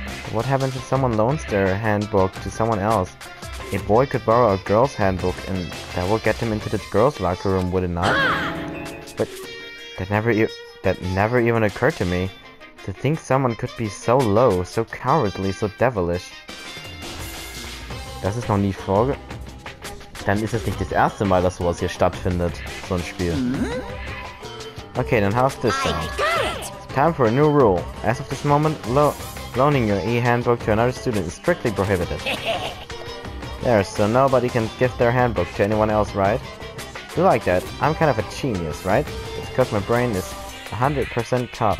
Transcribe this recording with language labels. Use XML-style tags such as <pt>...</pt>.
<en>What happens if someone loans their handbook to someone else? A boy could borrow a girl's handbook and that will get them into the girl's locker room, would it not? But that never even occurred to me. To think someone could be so low, so cowardly, so devilish.</en> <de>Das ist noch nie vorge... Dann ist es nicht das erste Mal, dass sowas hier stattfindet, so ein Spiel. Okay, dann hast du es dann.</de> <en>Time for a new rule. As of this moment, loaning your e-handbook to another student is strictly prohibited. There, so nobody can give their handbook to anyone else, right? You like that? I'm kind of a genius, right? It's because my brain is 100% top.</en>